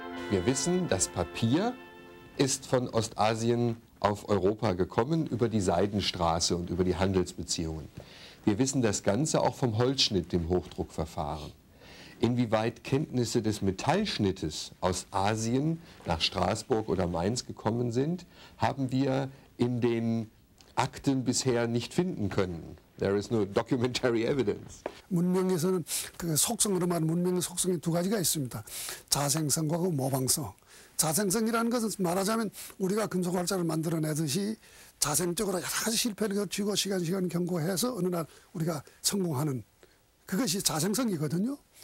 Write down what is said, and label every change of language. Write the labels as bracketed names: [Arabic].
[German] Wir wissen, das Papier ist von Ostasien auf Europa gekommen über die Seidenstraße und über die Handelsbeziehungen. Wir wissen das Ganze auch vom Holzschnitt, dem Hochdruckverfahren. Inwieweit Kenntnisse des Metallschnittes aus Asien nach Straßburg oder Mainz gekommen sind, haben wir in den Akten bisher nicht finden können. [English] There is no documentary evidence. [Korean] 문명에서는 그 속성으로 말하는 문명의 속성이 두 가지가 있습니다. 자생성과 그 모방성. 자생성이라는 것은 말하자면 우리가 금속 활자를 만들어내듯이 자생적으로 여러 가지 실패를 거치고 시간 경과해서 어느 날 우리가 성공하는 그것이 자생성이거든요.